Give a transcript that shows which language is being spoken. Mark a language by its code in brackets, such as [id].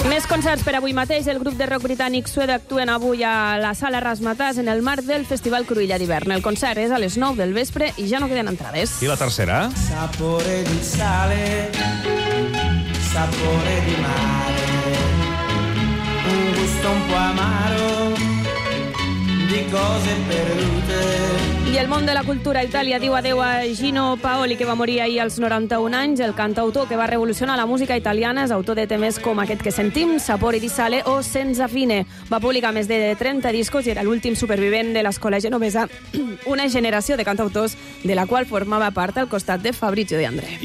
[ca] Concerts per avui mateix. El grup de rock britànic Suede actuen avui a la sala Razzmatazz en el marc del Festival Cruïlla d'hivern. El concert és a les 9 del vespre i ja no queden entrades. I la tercera? [it] Sapore di sale, sapore di mare, un gusto un po' amaro di cose perdute. [ca] I el món de la cultura a Itàlia diu adéu a Gino Paoli, que va morir ahir als 91 anys. El cantautor que va revolucionar la música italiana és autor de temes com aquest que sentim, Sapore di sale o Senza fine. Va publicar més de 30 discos i era l'últim supervivent de l'escola genovesa, una generació de cantautors de la qual formava part al costat de Fabrizio De André.